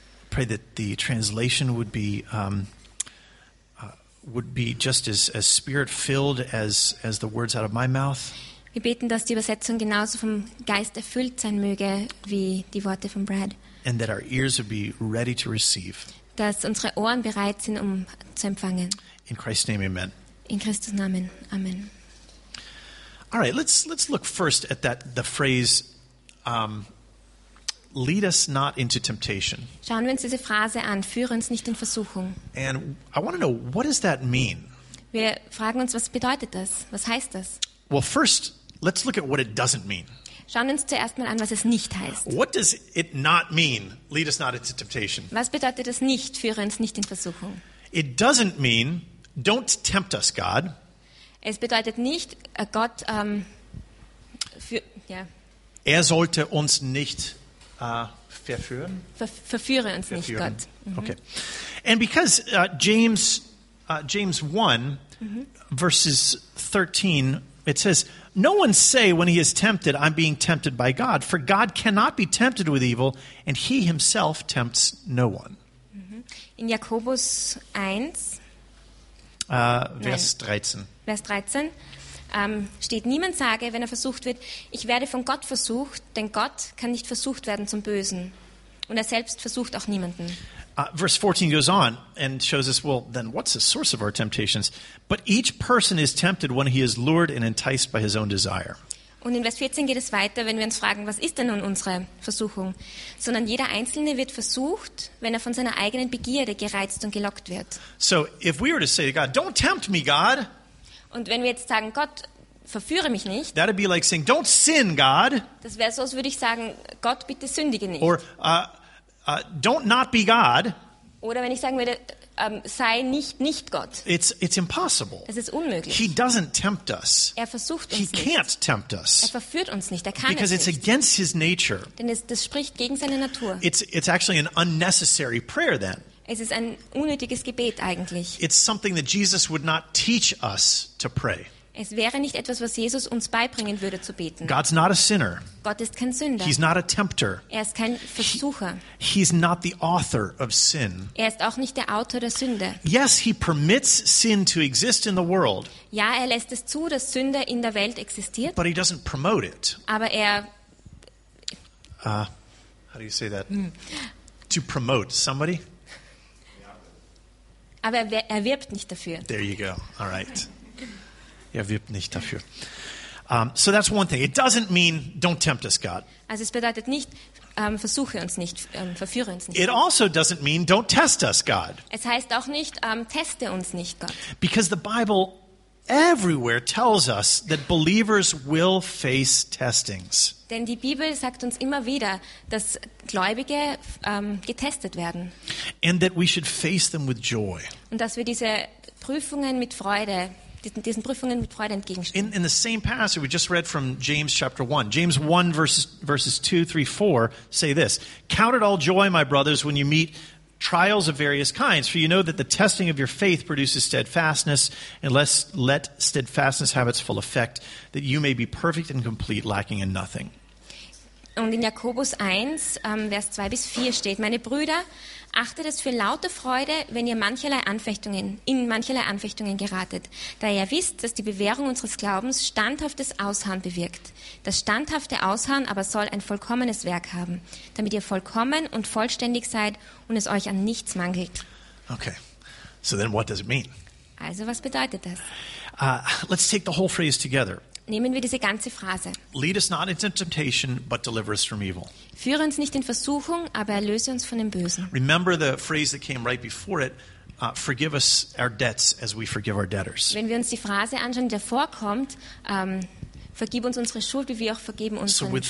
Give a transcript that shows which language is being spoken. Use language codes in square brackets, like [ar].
[en] Pray that the translation would be just as spirit-filled as the words out of my mouth. [de] Wir beten, dass die Übersetzung genauso vom Geist erfüllt sein möge wie die Worte von Brad. [en] And that our ears would be ready to receive. [de] Dass unsere Ohren bereit sind, um zu empfangen. [en] In Christ's name, amen. [de] In Christus Namen, amen. [en] All right, let's look first at that the phrase lead us not into temptation. [de] Schauen wir uns diese Phrase an, führe uns nicht in Versuchung. [en] And I want to know, what does that mean? [de] Wir fragen uns, was bedeutet das? Was heißt das? [en] Well, first, let's look at what it doesn't mean. [de] Schauen uns zuerst mal an, was es nicht heißt. [en] What does it not mean? Lead us not into temptation. [de] Was bedeutet es nicht? Führe uns nicht in Versuchung. [en] It doesn't mean, don't tempt us, God. [de] Es bedeutet nicht, Gott für, ja. Er sollte uns nicht verführen. Verführe uns nicht, verführen. Gott. [en] Mhm. Okay. And because James 1, mhm. verses 13, it says, no one say when he is tempted, I'm being tempted by God. For God cannot be tempted with evil, and he himself tempts no one. [de] In Jakobus 1, Vers 13, steht, niemand sage, wenn er versucht wird, ich werde von Gott versucht, denn Gott kann nicht versucht werden zum Bösen. Und er selbst versucht auch niemanden. [en] Verse 14 goes on and shows us, well, then what's the source of our temptations? But each person is tempted when he is lured and enticed by his own desire. [de] Und in Vers 14 geht es weiter, wenn wir uns fragen, was ist denn nun unsere Versuchung? Sondern jeder Einzelne wird versucht, wenn er von seiner eigenen Begierde gereizt und gelockt wird. [en] So, if we were to say to God, don't tempt me, God. [de] Und wenn wir jetzt sagen, Gott, verführe mich nicht. [en] That would be like saying, don't sin, God. [de] Das wäre so, als würde ich sagen, Gott, bitte sündige nicht. [en] Or, don't not be God. [de] Oder wenn ich sagen würde, sei nicht Gott. [en] It's impossible. [de] Es ist unmöglich. [en] He doesn't tempt us. [de] Er versucht uns [en] He Can't tempt us. [de] Er verführt uns nicht. Er kann [en] Because [de] es nicht. [en] Because it's against his nature. [de] Denn das spricht gegen seine Natur. [en] It's actually an unnecessary prayer then. [de] Es ist ein unnötiges Gebet eigentlich. [en] It's something that Jesus would not teach us to pray. [de] Es wäre nicht etwas, was Jesus uns beibringen würde zu beten. [en] God's not a sinner. [de] Gott ist kein Sünder. [en] He's not a tempter. [de] Er ist kein Versucher. [en] He's not the author of sin. [de] Er ist auch nicht der Autor der Sünde. [en] Yes, he permits sin to exist in the world. [de] Ja, er lässt es zu, dass Sünde in der Welt existiert. [en] But he doesn't promote it. [de] Aber er [en] how do you say that? To promote somebody? [de] Aber er wirbt nicht dafür. [en] There you go. All right. [de] Er wirbt nicht dafür. [en] So that's one thing. It doesn't mean don't tempt us, God. [de] Also es bedeutet nicht, versuche uns nicht, verführe uns nicht. [en] It also doesn't mean don't test us, God. [de] Es heißt auch nicht, teste uns nicht, Gott. [en] Because the Bible everywhere tells us that believers will face testings. [de] Denn die Bibel sagt uns immer wieder, dass Gläubige getestet werden. [en] And that we should face them with joy. [de] Und dass wir diese Prüfungen mit Freude diesen Prüfungen mit Freude entgegenstehen. [en] In the same passage we just read from James chapter 1. James 1 verses 2, 3, 4 say this. Count it all joy, my brothers, when you meet trials of various kinds, for you know that the testing of your faith produces steadfastness, and let steadfastness have its full effect, that you may be perfect and complete, lacking in nothing. [de] Und in Jakobus 1, Vers 2 bis 4 steht, meine Brüder, achtet es für laute Freude, wenn ihr in mancherlei Anfechtungen geratet, da ihr wisst, dass die Bewährung unseres Glaubens standhaftes Ausharren bewirkt. Das standhafte Ausharren aber soll ein vollkommenes Werk haben, damit ihr vollkommen und vollständig seid und es euch an nichts mangelt. [en] Okay, so then what does it mean? [de] Also was bedeutet das? [en] Let's take the whole phrase together. [de] Nehmen wir diese ganze Phrase. [en] Lead us not into temptation, but deliver us from evil. [de] Führe uns nicht in Versuchung, aber erlöse uns von dem Bösen. [en] Remember the phrase that came right before it, forgive us our debts as we forgive our debtors. [de] Wenn wir uns die Phrase anschauen, die davor kommt, vergib uns unsere Schuld, wie wir auch vergeben unseren Schuldigen.